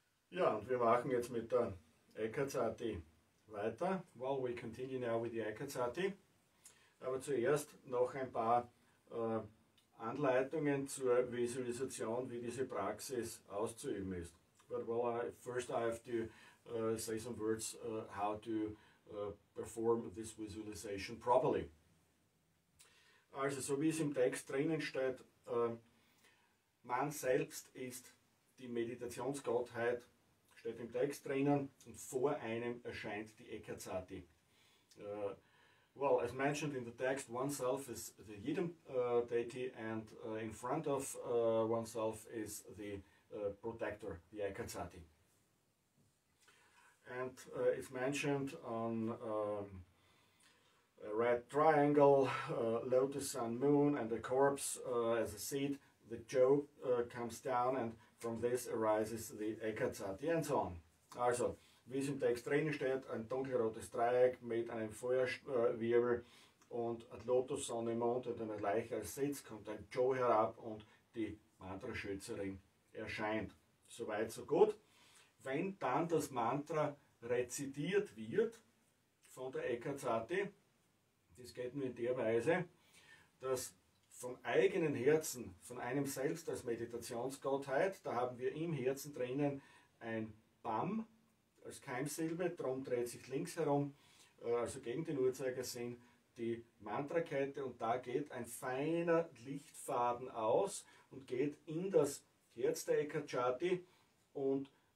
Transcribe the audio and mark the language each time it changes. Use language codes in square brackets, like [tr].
[de] Ja, und wir machen jetzt mit der Eckertsati weiter. [en] Well, we continue now with the Eckertsati. [de] Aber zuerst noch ein paar Anleitungen zur Visualisation, wie diese Praxis auszuüben ist. [en] But well, I have to say some words how to perform this visualization properly. [de] Also, so wie es im Text drinnen steht, man selbst ist die Meditationsgottheit, steht im Text drinnen, und vor einem erscheint die Eckertsati. [en] Well, as mentioned in the text, oneself is the hidden deity, and in front of oneself is the protector, the Eckertsati. And it's mentioned on a red triangle, lotus, sun, moon, and the corpse as a seed, the Jo comes down, and from this arises the Eckertsati, and so on. [de] Also, wie es im Text drin steht, ein dunkelrotes Dreieck mit einem Feuerwirbel und ein Lotus, Sonne, Mond und eine Leiche als Sitz, kommt ein Jo herab und die Mantra-Schützerin erscheint. Soweit, so gut. Wenn dann das Mantra rezitiert wird von der Eckertsati, das geht nur in der Weise, dass vom eigenen Herzen, von einem selbst als Meditationsgottheit, da haben wir im Herzen drinnen ein Bam als Keimsilbe, drum dreht sich links herum, also gegen den Uhrzeigersinn, die Mantrakette, und da geht ein feiner Lichtfaden aus und geht in das Herz der Eckertsati und